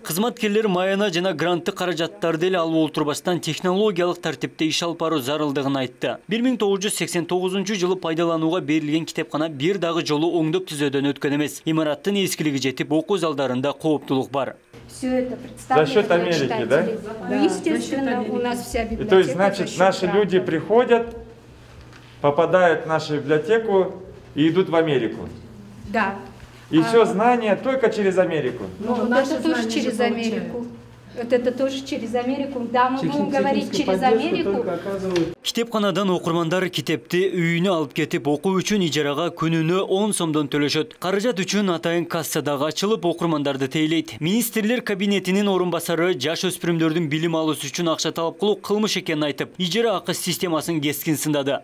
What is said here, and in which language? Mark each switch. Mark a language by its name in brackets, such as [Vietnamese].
[Kyrgyz] Кызматкерлер майана жана грант каражаттарды эле алып отурбастан технологиялык тартипте иш алып баруу зарылдыгын айтты. 1989 жылы пайдаланууга берилген китепкана бир дагы жолу оңдоп түзөөдөн өткөн эмес. Имараттын эскилиги жетип, окуу залдарында кооптуулук бар. [Russian] За счет Америки, да? Ну, естественно, у нас вся библиотека. То есть, значит, наши люди приходят, попадают в нашу библиотеку и идут в Америку. Да. И все знания только через Америку. Ну, наши тоже через Америку. Вот это тоже через Америку. Да, мы будем говорить через Америку. [Kyrgyz] Китепканадан окурмандар китепти үйүнө алып кетип, окуу үчүн ижарага күнүнө 10 сомдон төлөшөт. Каражат үчүн атайын кассадагы ачылып окурмандарды тейлейт. Министрлер кабинетинин орун басары жаш өспүрүмдөрдүн билим алуусу үчүн акча талап кылуу кылмыш экенин айтып, ижара акысы системасын кескин сындады.